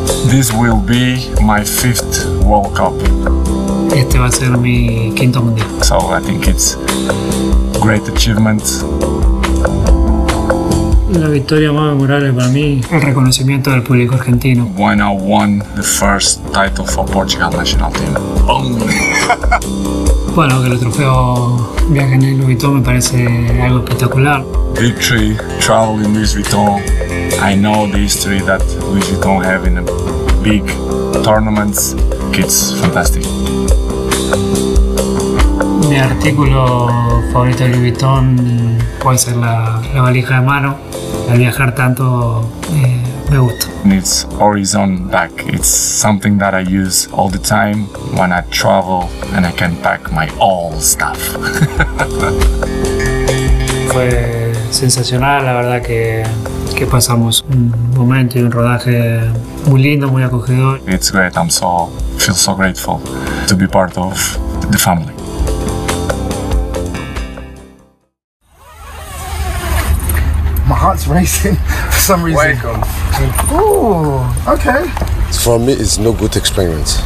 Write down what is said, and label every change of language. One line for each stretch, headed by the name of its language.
English: This will be my fifth World Cup.
Spanish: Este va a ser mi quinto mundial.
English: So I think it's great achievement.
Spanish: La victoria más memorable para mí, el reconocimiento del público argentino.
English: When I won the first title for Portugal national team.
Spanish: Bueno, que el trofeo Viaje en el Louis Vuitton me parece algo espectacular.
English: Victory, travel in Louis Vuitton. I know the history that Louis Vuitton have in the big tournaments. It's fantastic.
Spanish: Mi artículo favorito de Louis Vuitton puede ser la valija de mano. Al viajar tanto, me gusta.
English: And it's Horizon bag. It's something that I use all the time when I travel and I can pack my all stuff.
Spanish: Fue sensacional, la verdad que pasamos un momento y un rodaje muy lindo, muy acogedor.
English: It's great. Feel so grateful to be part of the family. My heart's racing for some reason. Welcome. Ooh, okay. For me, it's no good experience.